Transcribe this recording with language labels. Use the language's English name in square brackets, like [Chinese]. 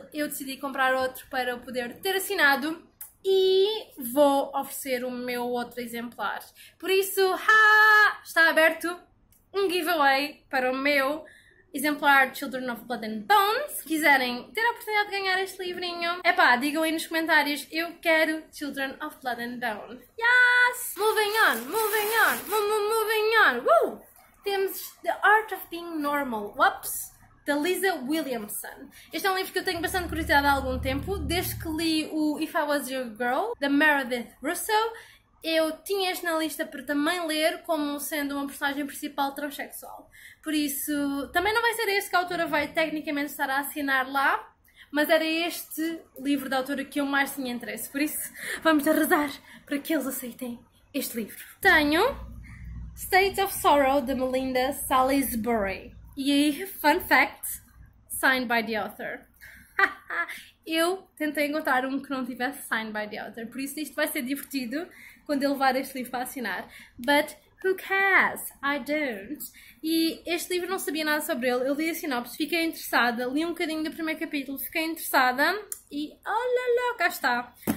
[Portuguese] Eu decidi comprar outro para poder ter assinado e vou oferecer o meu outro exemplar. Por isso, está aberto um giveaway para o meu exemplar Children of Blood and Bones. Se quiserem ter a oportunidade de ganhar este livrinho, é pá, digam aí nos comentários: eu quero Children of Blood and Bone. [English] Yes! Moving on, moving on, moving on. [Portuguese] Temos The Art of Being Normal, whoops, da Lisa Williamson. Este é um livro que eu tenho bastante curiosidade há algum tempo, desde que li o If I Was Your Girl, da Meredith Russo. Eu tinha este na lista para também ler como sendo uma personagem principal transexual. Por isso, também não vai ser este que a autora vai tecnicamente estar a assinar lá, mas era este livro da autora que eu mais tinha interesse. Por isso, vamos a rezar para que eles aceitem este livro. Tenho State of Sorrow, de Melinda Salisbury. E aí, [English] fun fact, signed by the author. [Portuguese] Eu tentei encontrar um que não tivesse [English] signed by the author, [Portuguese] por isso isto vai ser divertido quando eu levar este livro para assinar. [English] But who cares? I don't. [Portuguese] E este livro não sabia nada sobre ele, eu li a sinopse, fiquei interessada, li um bocadinho do primeiro capítulo, fiquei interessada e olha lá, cá está.